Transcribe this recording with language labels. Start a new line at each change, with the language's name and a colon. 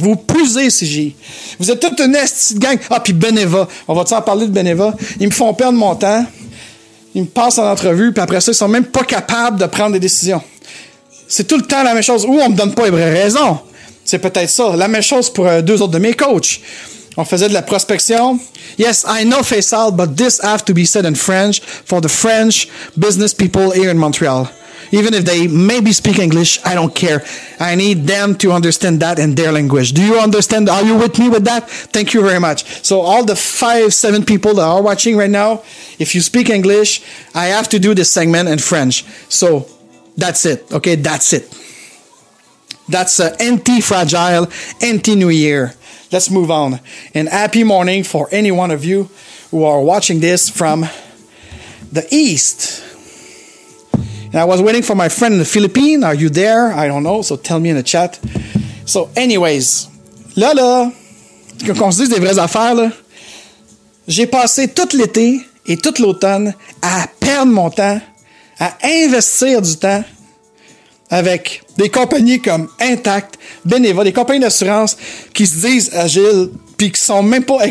French: Vous puez, CGI. Vous êtes toute une astie de gang. Ah, puis Beneva. On va-tu en parler de Beneva? Ils me font perdre mon temps. Ils me passent en entrevue, puis après ça, ils sont même pas capables de prendre des décisions. C'est tout le temps la même chose. Ou on me donne pas les vraies raisons. C'est peut-être ça. La même chose pour deux autres de mes coachs. On faisait de la prospection.
English: Yes, I know Faisal, but this has to be said in French for the French business people here in Montreal. Even if they maybe speak English, I don't care. I need them to understand that in their language. Do you understand? Are you with me with that? Thank you very much. So all the 5-7 people that are watching right now, if you speak English, I have to do this segment in French. So that's it. Okay, that's it. That's anti-fragile, anti-New Year. Let's move on. And happy morning for any one of you who are watching this from the East. And I was waiting for my friend in the Philippines. Are you there? I don't know. So tell me in the chat. So anyways,
French: là, là, qu'on se dise des vraies affaires, là. J'ai passé tout l'été et toute l'automne à perdre mon temps, à investir du temps avec des compagnies comme Intact, Beneva, des compagnies d'assurance qui se disent agiles, puis qui sont même pas...